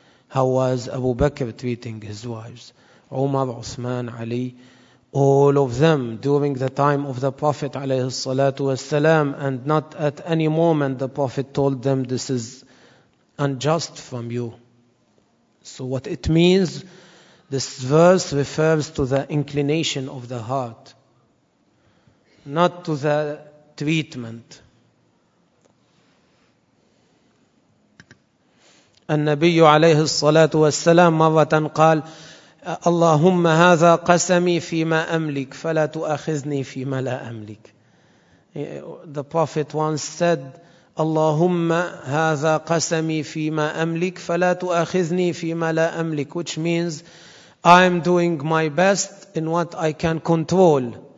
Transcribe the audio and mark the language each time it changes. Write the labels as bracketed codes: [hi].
[en] How was Abu Bakr treating his wives? Umar, Uthman, Ali, all of them during the time of the Prophet alayhi salatu wasalam, and not at any moment the Prophet told them, this is unjust from you. So what it means, this verse refers to the inclination of the heart, not to the treatment. [ar] النبي عليه الصلاة والسلام مرة قال اللهم هذا قسمي فيما أملك فلا تؤاخذني فيما لا أملك. [en] The Prophet once said, [ar] اللهم هذا قسمي فيما أملك فلا تؤاخذني فيما لا أملك, [en] which means I am doing my best in what I can control.